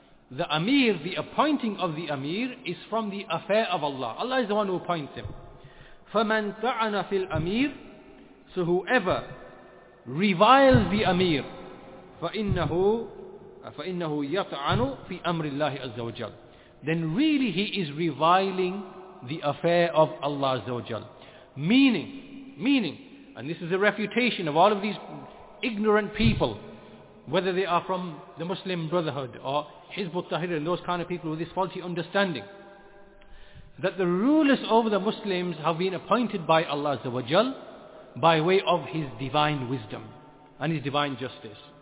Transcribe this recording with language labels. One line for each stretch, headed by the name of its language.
English: The Amir, the appointing of the Amir, is from the affair of Allah. Allah is the one who appoints him.
Arabic: فَمَنْ تَعَنَ فِي الْأَمِيرِ.
English: So whoever reviles the Amir,
Arabic: فَإِنَّهُ يَطْعَنُ فِي أَمْرِ اللَّهِ عَزَّ وَجَلْ.
English: Then really he is reviling the affair of Allah عز وجل. Meaning, and this is a refutation of all of these ignorant people, whether they are from the Muslim Brotherhood or Hizb ut-Tahrir and those kind of people with this faulty understanding, that the rulers over the Muslims have been appointed by Allah Azza wa Jal by way of His divine wisdom and His divine justice.